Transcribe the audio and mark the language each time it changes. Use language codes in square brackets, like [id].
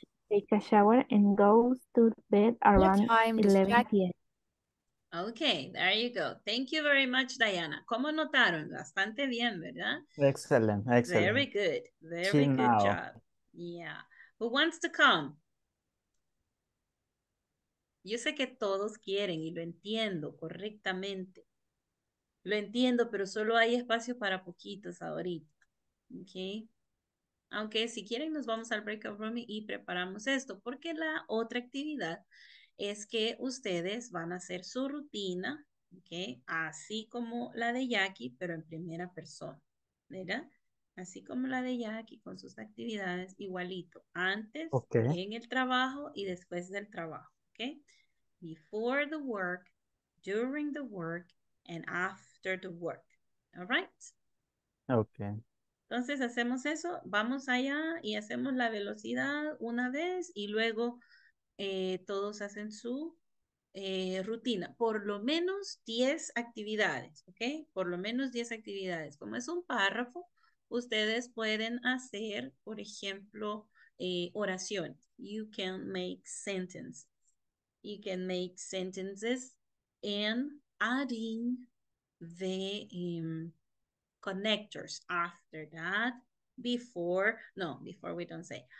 [en] Takes a shower and goes to bed around 11 p.m. Okay, there you go. Thank you very much, Diana. [es] ¿Cómo notaron? Bastante bien, ¿verdad? [en] Excellent, excellent. Very good. Very good job. Yeah. Who wants to come? [es] Yo sé que todos quieren y lo entiendo correctamente. Lo entiendo, pero solo hay espacio para poquitos ahorita. ¿Ok? Aunque si quieren nos vamos al breakout room y preparamos esto, porque la otra actividad es que ustedes van a hacer su rutina, ¿ok? Así como la de Jackie, pero en primera persona, ¿verdad? Así como la de Jackie con sus actividades, igualito, antes, [en] Okay. [es] En el trabajo y después del trabajo, ¿ok? [en] Before the work, during the work, and after the work, ¿all right? Okay. [es] Entonces hacemos eso, vamos allá y hacemos la velocidad una vez y luego todos hacen su rutina. Por lo menos 10 actividades, ¿ok? Por lo menos 10 actividades. Como es un párrafo, ustedes pueden hacer, por ejemplo, oraciones. [en] You can make sentences. You can make sentences and adding the connectors. After that, before, no, before we don't say.